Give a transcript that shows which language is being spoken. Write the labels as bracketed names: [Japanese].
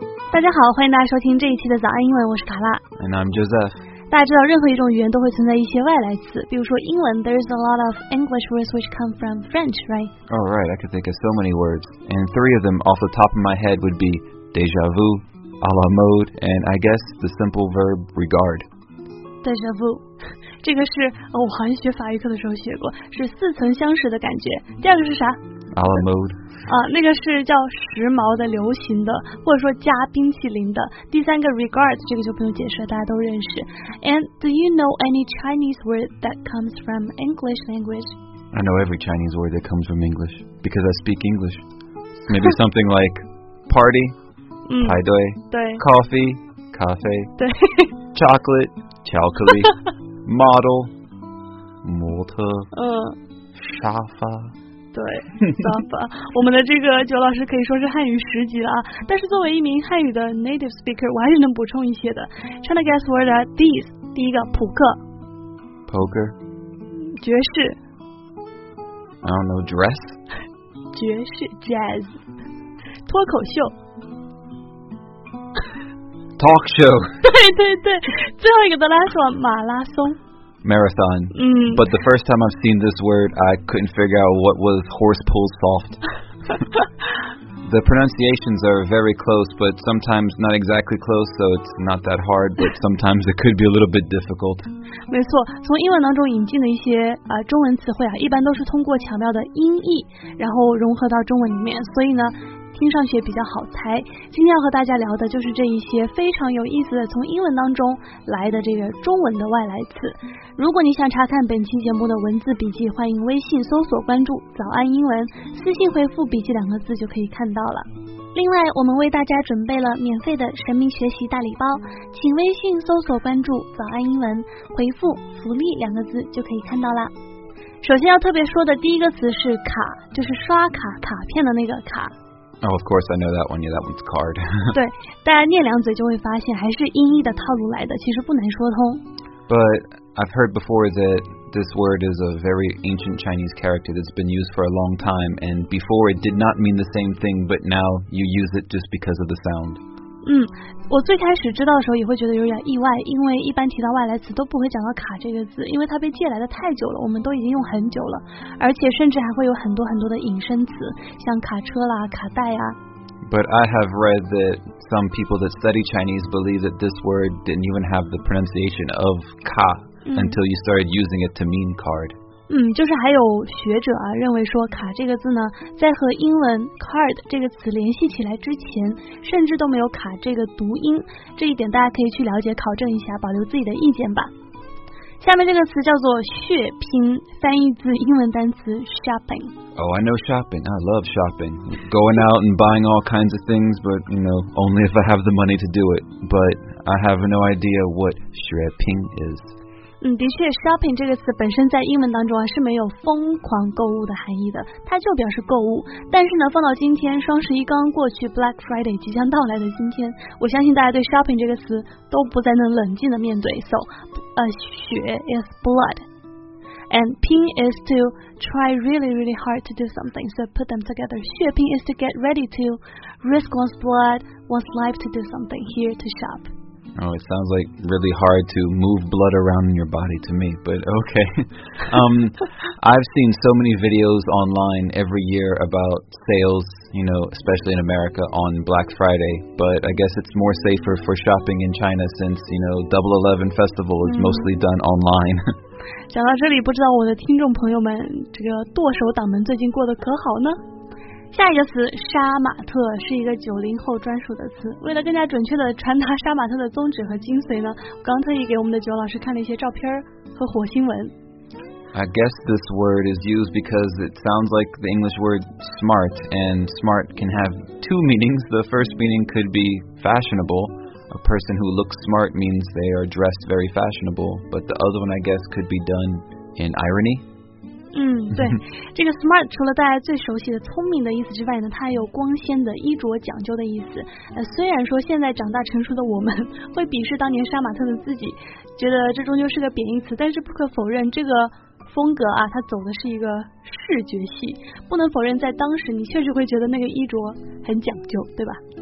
[Chinese] 大家好，欢迎大家收听这一期的早安英文，我是卡拉。 [English] And I'm Joseph。 [Chinese] 大家知道，任何一种语言都会存在一些外来词，比如说英文 ， [English] there's a lot of English words which come from French, right? Oh, right. I could think of so many words, and three of them off the top of my head would be déjà vu, à la mode, and I guess the simple verb regard. [Chinese] Déjà vu, 这个是、哦、我好像学法语课的时候学过，是似曾相识的感觉。第二个是啥 [French] ？À la mode. [Chinese] 啊，那个是叫时髦的、流行的，或者说加冰淇淋的。第三个 regard, 这个就不用解释了，大家都认识。 [English] And do you know any Chinese word that comes from English language? I know every Chinese word that comes from English because I speak English. Maybe something like party, 排队， [Chinese] 对 [English] ，coffee, 咖啡， [Chinese] 对 [English] ，chocolate. [Chinese] 巧克力model 模特沙发对沙发我们的这个九老师可以说是汉语十级了、啊、但是作为一名汉语的 [English] native speaker [Chinese] 我还是能补充一些的 [English] China guest word are these [Chinese] 第一个扑克 [English] poker [Chinese] 爵士 [English] I don't know dress [Chinese] 爵士 jazz 脱口秀 [English] Talk show. [Chinese] 对对对，最后一个的 [English] last one, [Chinese] 马拉松 [English] Marathon. 嗯 But the first time I've seen this word, I couldn't figure out what was horse pulls soft. The pronunciations are very close, but sometimes not exactly close, so it's not that hard, but sometimes it could be a little bit difficult. [Chinese] 没错，从英文当中引进的一些、中文词汇啊，一般都是通过巧妙的音译，然后融合到中文里面，所以呢听上去比较好猜。今天要和大家聊的就是这一些非常有意思的从英文当中来的这个中文的外来词。如果你想查看本期节目的文字笔记，欢迎微信搜索关注早安英文，私信回复笔记两个字就可以看到了。另外我们为大家准备了免费的神秘学习大礼包，请微信搜索关注早安英文，回复福利两个字就可以看到了。首先要特别说的第一个词是卡，就是刷卡卡片的那个卡。 [English] Oh, of course, I know that one. Yeah, that one's card. [Chinese] 对，大家念两嘴就会发现还是音译的套路来的，其实不难说通。 [English] But I've heard before that this word is a very ancient Chinese character that's been used for a long time, and before it did not mean the same thing, but now you use it just because of the sound. [Chinese] 嗯，我最开始知道的时候也会觉得有点意外，因为一般提到外来词都不会讲到卡这个字，因为它被借来的太久了，我们都已经用很久了，而且甚至还会有很多很多的引申词，像卡车啦、卡带啊。 [English] But I have read that some people that study Chinese believe that this word didn't even have the pronunciation of 卡、嗯、 until you started using it to mean card. [Chinese] 嗯，就是还有学者啊认为说卡这个字呢，在和英文 card 这个词联系起来之前，甚至都没有卡这个读音，这一点大家可以去了解考证一下，保留自己的意见吧。下面这个词叫做血拼，翻译自英文单词 shopping。 [English] Oh, I know shopping. I love shopping. Going out and buying all kinds of things, but you know, only if I have the money to do it. But I have no idea what 血拼 is. [Chinese] 嗯，的确 ，shopping 这个词本身在英文当中啊是没有疯狂购物的含义的，它就表示购物。但是呢，放到今天，双十一刚过去 ，Black Friday 即将到来的今天，我相信大家对 shopping 这个词都不再能冷静的面对。 [English] So, 血 is blood. And pin is to try really, really hard to do something. So put them together. 血拼 is to get ready to risk one's blood, one's life to do something here to shop. Oh, it sounds like really hard to move blood around in your body to me, but okay. I've seen so many videos online every year about sales, you know, especially in America on Black Friday. But I guess it's more safer for shopping in China since, you know, Double 11 Festival is mostly done online. [Chinese] 讲到这里，不知道我的听众朋友们，这个剁手党们最近过得可好呢？下一个词杀马特是一个90后专属的词，为了更加准确的传达杀马特的宗旨和精髓呢，刚特意给我们的九老师看了一些照片和火星文。 [English] I guess this word is used because it sounds like the English word smart, and smart can have two meanings. The first meaning could be fashionable. A person who looks smart means they are dressed very fashionable, but the other one I guess could be done in irony. [Chinese] 嗯，对，这个 smart 除了大家最熟悉的聪明的意思之外呢，它还有光鲜的、衣着讲究的意思。虽然说现在长大成熟的我们会鄙视当年杀马特的自己，觉得这终究是个贬义词，但是不可否认，这个风格啊，它走的是一个视觉系。不能否认，在当时你确实会觉得那个衣着很讲究，对吧？